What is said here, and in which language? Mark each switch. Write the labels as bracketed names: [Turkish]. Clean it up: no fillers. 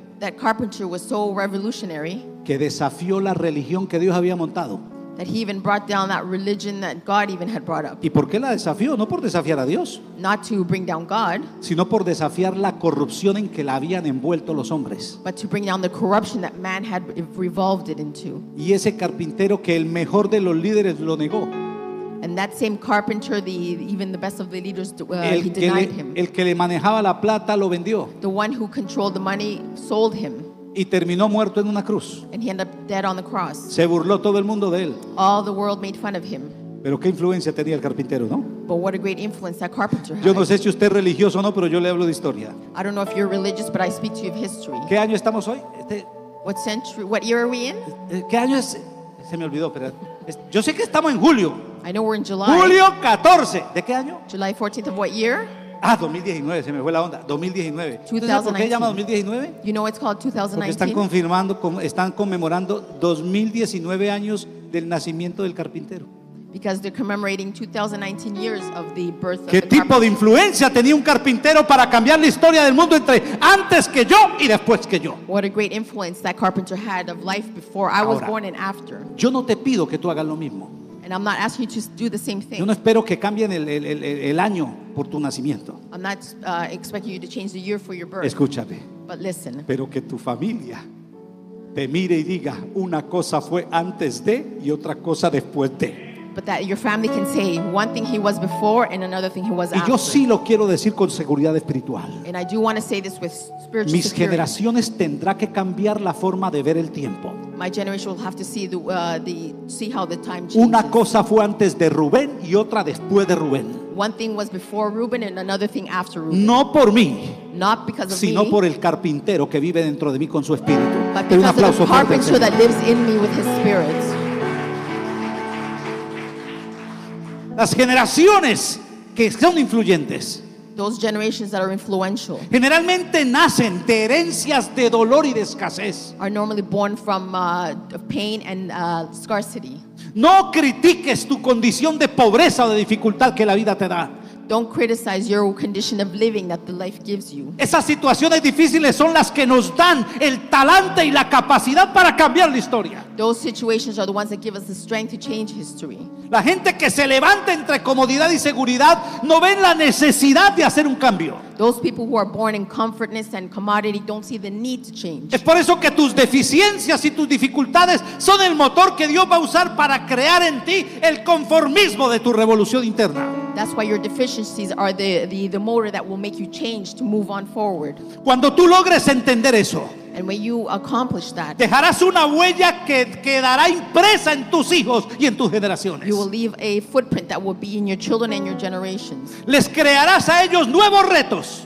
[English] That carpenter was so revolutionary [Spanish] que desafió la religión que Dios había montado. [English] That he even brought down that religion that God even had brought up. [Spanish] ¿Y por qué la desafió? No por desafiar a Dios. [English] Not to bring down God. [Spanish] Sino por desafiar la corrupción en que la habían envuelto los hombres. [English] But to bring down the corruption that man had revolved it into. [Spanish] Y ese carpintero que el mejor de los líderes lo negó. [English] And that same carpenter, the best of the leaders, he denied him. [Spanish] El que le manejaba la plata lo vendió. [English] The one who controlled the money sold him. [Spanish] Y terminó muerto en una cruz. [English] And he ended up dead on the cross. [Spanish] Se burló todo el mundo de él. [English] All the world made fun of him. [Spanish] Pero qué influencia tenía el carpintero, ¿no? [English] But what a great influence that carpenter had. [Spanish] Yo no sé si usted es religioso o no, pero yo le hablo de historia. [English] I don't know if you're religious, but I speak to you of history. [Spanish] ¿Qué año estamos hoy? [English] What century? What year are we in? [Spanish] ¿Qué año es? Se me olvidó, pero yo sé que estamos en julio. [English] I know we're in July. [Spanish] Julio 14. ¿De qué año? [English] July 14th of what year? [Spanish] Ah, 2019, se me fue la onda. 2019. ¿Sabes por qué se llama 2019? [English] You know it's called 2019. [Spanish] Porque están conmemorando 2019 años del nacimiento del carpintero. [English] Because they're commemorating 2019 years of the birth of the carpenter. [Spanish] ¿Qué tipo de influencia tenía un carpintero para cambiar la historia del mundo entre antes que yo y después que yo? [English] What a great influence that carpenter had of life before I was born and after. [Spanish] Yo no te pido que tú hagas lo mismo. [English] And I'm not asking you to do the same thing. [Spanish] Yo no espero que cambien el año por tu nacimiento. [English] I'm not expecting you to change the year for your birth. [Spanish] Escúchame. [English] But listen. [Spanish] Pero que tu familia te mire y diga una cosa fue antes de y otra cosa después de. [English] But that your family can say one thing he was before and another thing he was after. [Spanish] Y yo sí lo quiero decir con seguridad espiritual. [English] And I do want to say this with spiritual security. [Spanish] Mis generaciones tendrá que cambiar la forma de ver el tiempo. [English] My generation will have to see how the time changes. [Spanish] Una cosa fue antes de Rubén y otra después de Rubén. [English] One thing was before Reuben and another thing after Reuben. [Spanish] No por mí. [English] Not because of me. [Spanish] Sino por el carpintero que vive dentro de mí con su espíritu. [English] But because of the carpenter that lives in me with his spirit. [Spanish] Las generaciones que son influyentes. [English] Those generations that are influential. [Spanish] Generalmente nacen de herencias de dolor y de escasez. [English] Are normally born from pain and scarcity. [Spanish] No critiques tu condición de pobreza o de dificultad que la vida te da. [English] Don't criticize your condition of living that the life gives you. [Spanish] Esas situaciones difíciles son las que nos dan el talante y la capacidad para cambiar la historia. [English] Those situations are the ones that give us the strength to change history. [Spanish] La gente que se levanta entre comodidad y seguridad no ven la necesidad de hacer un cambio. [English] Those people who are born in comfortness and commodity don't see the need to change. [Spanish] Es por eso que tus deficiencias y tus dificultades son el motor que Dios va a usar para crear en ti el conformismo de tu revolución interna. [English] That's why your deficiencies are the motor that will make you change to move on forward. [Spanish] Cuando tú logres entender eso, [English] and when you accomplish that, [Spanish] dejarás una huella que quedará impresa en tus hijos y en tus generaciones. [English] You will leave a footprint that will be in your children and your generations. [Spanish] Les crearás a ellos nuevos retos.